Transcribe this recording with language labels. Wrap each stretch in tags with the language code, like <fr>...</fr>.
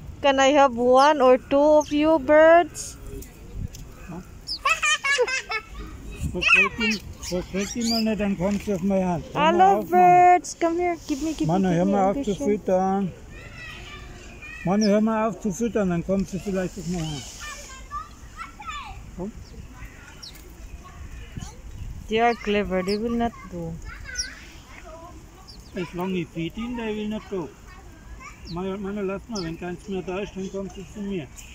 <en>Can I have one or two of you birds?</en> <de>Verschreck dich mal nicht, dann kommst du auf meine Hand. Hallo Birds, komm her, gib mir. Manu, hör mal auf zu füttern. Manu, hör mal auf zu füttern, dann kommst du vielleicht auf meine Hand.</de> <en>They are clever, they will not go. As long as you feed him, they will not go.</en> <de>Manu, lass mal, wenn keins mehr da ist, dann kommst du zu mir.</de>